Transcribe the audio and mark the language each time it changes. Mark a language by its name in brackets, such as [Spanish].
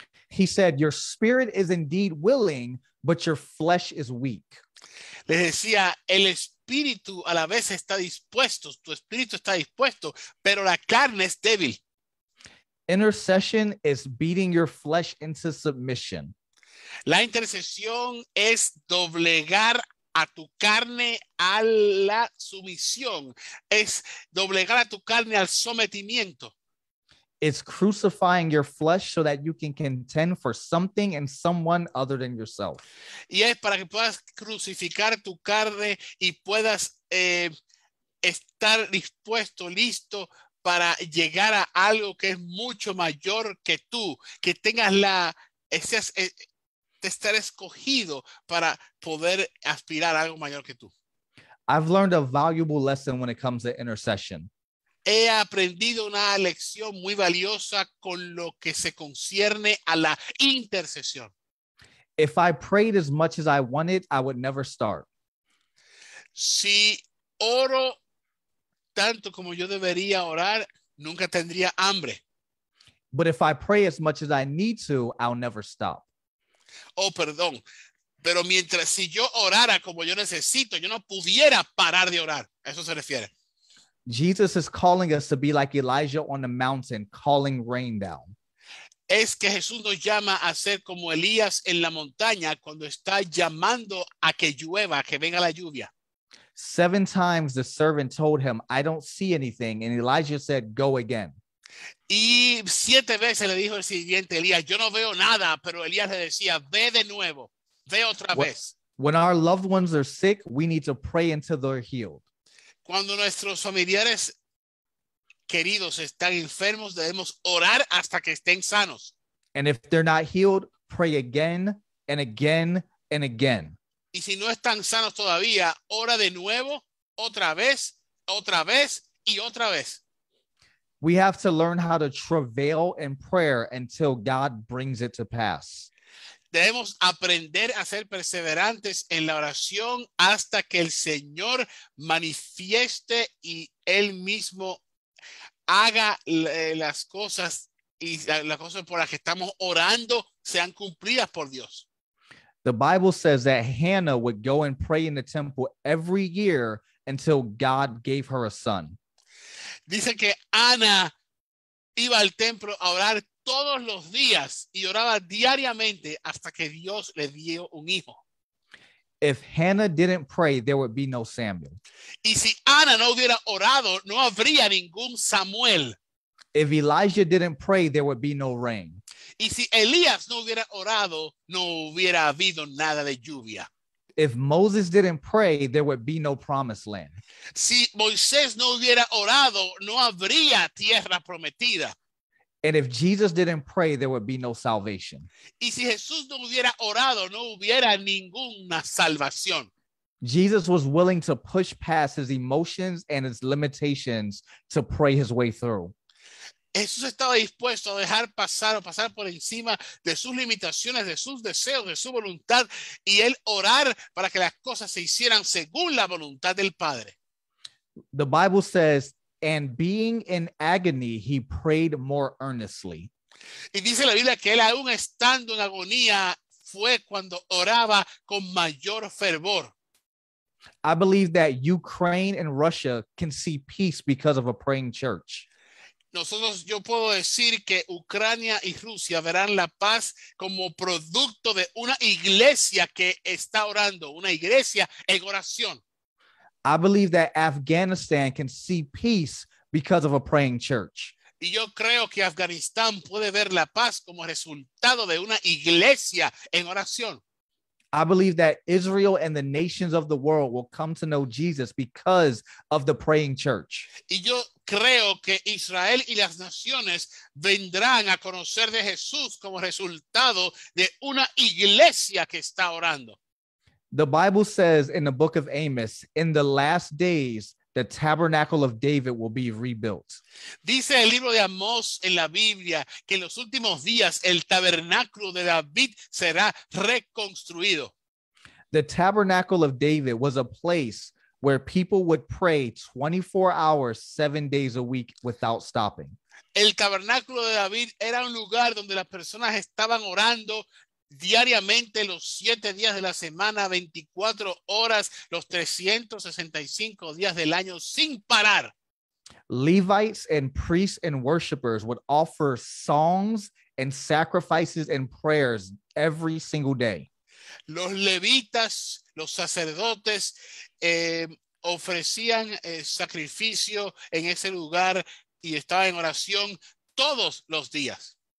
[English] He said, your spirit is indeed willing, but your flesh is weak. [Spanish] Les decía, el espíritu a la vez está dispuesto, tu espíritu está dispuesto, pero la carne es débil. [English] Intercession is beating your flesh into submission. [Spanish] La intercesión es doblegar a tu carne a la sumisión, es doblegar a tu carne al sometimiento. [English] It's crucifying your flesh so that you can contend for something and someone other than yourself. [Spanish] Y es para que puedas crucificar tu carne y puedas estar dispuesto, listo para llegar a algo que es mucho mayor que tú, que tengas la seas, de estar escogido para poder aspirar a algo mayor que tú. [English] I've learned a valuable lesson when it comes to intercession. [Spanish] He aprendido una lección muy valiosa con lo que se concierne a la intercesión. [English] If I prayed as much as I wanted, I would never start. [Spanish] Si oro tanto como yo debería orar, nunca tendría hambre. [English] But if I pray as much as I need to, I'll never stop. [Spanish] Oh, perdón. Pero mientras si yo orara como yo necesito, yo no pudiera parar de orar. A eso se refiere. [English] Jesus is calling us to be like Elijah on the mountain, calling rain down. [Spanish] Es que Jesús nos llama a ser como Elías en la montaña cuando está llamando a que llueva, que venga la lluvia. [English] 7 times the servant told him, I don't see anything. And Elijah said, go again. [Spanish] Y 7 veces le dijo el sirviente Elías, yo no veo nada. Pero Elías le decía, ve de nuevo. Ve otra vez. [English] When our loved ones are sick, we need to pray until they're healed. [Spanish] Cuando nuestros familiares queridos están enfermos, debemos orar hasta que estén sanos. [English] And if they're not healed, pray again and again and again. [Spanish] Y si no están sanos todavía, ora de nuevo, otra vez y otra vez. [English] We have to learn how to travail in prayer until God brings it to pass. [Spanish] Debemos aprender a ser perseverantes en la oración hasta que el Señor manifieste y Él mismo haga las cosas y las cosas por las que estamos orando sean cumplidas por Dios. [English] The Bible says that Hannah would go and pray in the temple every year until God gave her a son. [Spanish] Dice que Ana iba al templo a orar todos los días y oraba diariamente hasta que Dios le dio un hijo. [English] If Hannah didn't pray, there would be no Samuel. [Spanish] Y si Ana no hubiera orado, no habría ningún Samuel. [English] If Elijah didn't pray, there would be no rain. [Spanish] Y si Elías no hubiera orado, no hubiera habido nada de lluvia. [English] If Moses didn't pray, there would be no promised land. [Spanish] Si Moisés no hubiera orado, no habría tierra prometida. [English] And if Jesus didn't pray, there would be no salvation. [Spanish] Y si Jesús no hubiera orado, no hubiera ninguna salvación. [English] Jesus was willing to push past his emotions and his limitations to pray his way through. [Spanish] Jesús estaba dispuesto a dejar pasar o pasar por encima de sus limitaciones, de sus deseos, de su voluntad y él orar para que las cosas se hicieran según la voluntad del Padre. [English] The Bible says, and being in agony, he prayed more earnestly. [Spanish] Y dice la Biblia que él aún estando en agonía fue cuando oraba con mayor fervor. [English] I believe that Ukraine and Russia can see peace because of a praying church. [Spanish] Nosotros, yo puedo decir que Ucrania y Rusia verán la paz como producto de una iglesia que está orando, una iglesia en oración. [English] I believe that Afghanistan can see peace because of a praying church. [Spanish] Y yo creo que Afganistán puede ver la paz como resultado de una iglesia en oración. [English] I believe that Israel and the nations of the world will come to know Jesus because of the praying church. [Spanish] Y yo creo que Israel y las naciones vendrán a conocer de Jesús como resultado de una iglesia que está orando. [English] The Bible says in the book of Amos, in the last days, the tabernacle of David will be rebuilt. [Spanish] Dice el libro de Amós en la Biblia que en los últimos días el tabernáculo de David será reconstruido. [English] The tabernacle of David was a place where people would pray 24 hours, 7 days a week without stopping. [Spanish] El tabernáculo de David era un lugar donde las personas estaban orando diariamente los 7 días de la semana, 24 horas, los 365 días del año sin parar. [English] Levites and priests and worshipers would offer songs and sacrifices and prayers every single day. [Spanish] Los levitas, los sacerdotes ofrecían sacrificio en ese lugar y estaba en oración todos los días.